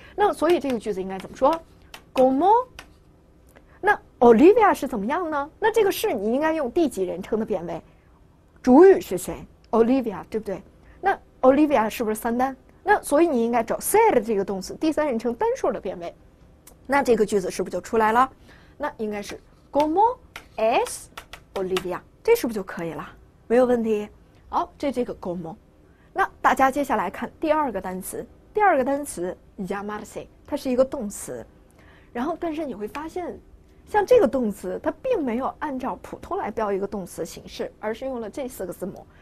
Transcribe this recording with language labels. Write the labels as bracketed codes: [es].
[zh] 那所以这个句子应该怎么说 ？Como？ 那 Olivia 是怎么样呢？那这个是你应该用第几人称的变位？主语是谁 ？Olivia， 对不对？那 Olivia 是不是三单？那所以你应该找 said 这个动词第三人称单数的变位。那这个句子是不是就出来了？那应该是 [es] ¿Cómo es Olivia? [zh] 这是不是就可以了？没有问题。好，这个 ¿Cómo? 那大家接下来看第二个单词。第二个单词 llamarse， 它是一个动词。然后，但是你会发现，像这个动词，它并没有按照普通来标一个动词形式，而是用了这四个字母。